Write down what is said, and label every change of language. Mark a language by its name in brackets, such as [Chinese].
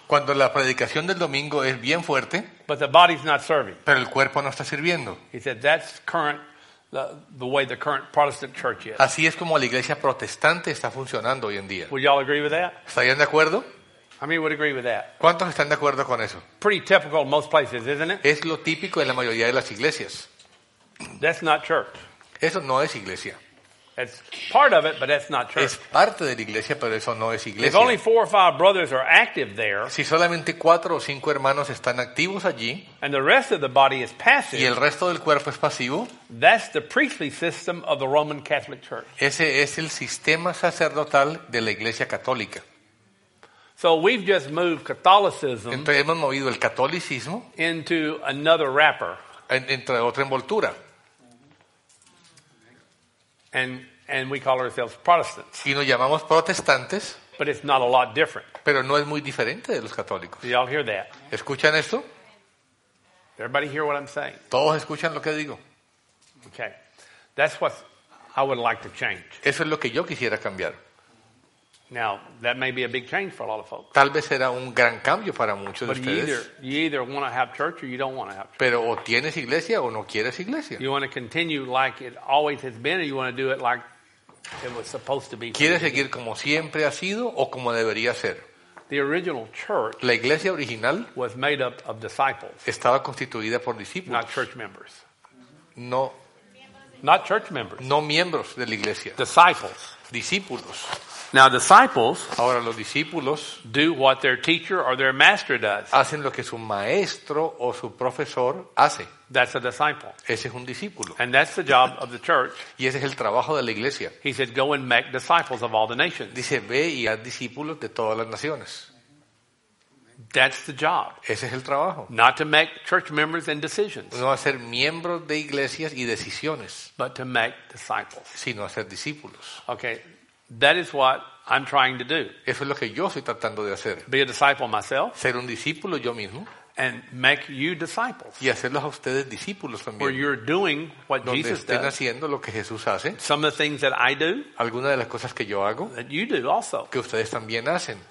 [Spanish] cuando la predicación del domingo es bien fuerte, [English] but the body's not serving. [Spanish] Pero el cuerpo no está sirviendo. [English] He said that's current the way the current Protestant church is. [Spanish] Así es como la iglesia protestante está funcionando hoy en día. [English] Would y'all agree with that? [Spanish] ¿Estarían de acuerdo? [English] How many would agree with that? [Spanish] ¿Cuántos están de acuerdo con eso? [English] Pretty typical most places, isn't it? [Spanish] Es lo típico en la mayoría de las iglesias. [English] That's not church. [Spanish] Eso no es iglesia. [English] It's part of it, but that's not church. [Spanish] Es parte de la iglesia, pero eso no es iglesia. [English] If only four or five brothers are active there, [Spanish] si solamente cuatro o cinco hermanos están activos allí, [English] and the rest of the body is passive, [Spanish] y el resto del cuerpo es pasivo, [English] that's the priestly system of the Roman Catholic Church. [Spanish] Ese es el sistema sacerdotal de la iglesia católica. [English] So we've just moved Catholicism, [Spanish] entonces hemos movido el catolicismo, [English] into another wrapper, [Spanish] entre otra envoltura. [English] And we call ourselves Protestants. [Spanish] Y nos llamamos protestantes. [English] But it's not a lot different. [Spanish] Pero no es muy diferente de los católicos. [English] Do y'all hear that? [Spanish] ¿Escuchan esto? [English] Everybody hear what I'm saying? [Spanish] Todos escuchan lo que digo. [English] Okay. That's what I would like to change. [Spanish] Eso es lo que yo quisiera cambiar. [English] Now, that may be a big change for a lot of folks. [Spanish] Tal vez será un gran cambio para muchos [English] but [Spanish] de ustedes. [English] You either want to have church or you don't want to have church. [Spanish] Pero o tienes iglesia o no quieres iglesia. [English] You want to continue like it always has been or you want to do it like it was supposed to be. [Spanish] ¿Quieres seguir como siempre ha sido o como debería ser? [English] The original church, [Spanish] la iglesia original, [English] was made up of disciples. [Spanish] Estaba constituida por discípulos. [English] Not church members. [Spanish] No [English] Not church members. [Spanish] No miembros de la iglesia. [English] Disciples. [Spanish] Discípulos. [English] Now disciples. [Spanish] Ahora los discípulos. [English] Do what their teacher or their master does. [Spanish] Hacen lo que su maestro o su profesor hace. [English] That's a disciple. [Spanish] Ese es un discípulo. [English] And that's the job of the church. [Spanish] Y ese es el trabajo de la iglesia. [English] He said, "Go and make disciples of all the nations." [Spanish] Dice, ve y haz discípulos de todas las naciones. [English] That's the job. [Spanish] Ese es el trabajo. [English] Not to make church members and decisions. [Spanish] No hacer miembros de iglesias y decisiones. [English] But to make disciples. [Spanish] Sino hacer discípulos. [English] Okay, that is what I'm trying to do. [Spanish] Eso es lo que yo estoy tratando de hacer. [English] Be a disciple myself. [Spanish] Ser un discípulo yo mismo. [English] And make you disciples. [Spanish] Y hacerlos a ustedes discípulos también. [English] Where you're doing what [Spanish] donde [English] Jesus [Spanish] estén [English] does. [Spanish] Haciendo lo que Jesús hace. [English] Some of the things that I do. [Spanish] Algunas de las cosas que yo hago. [English] That you do also. [Spanish] Que ustedes también hacen.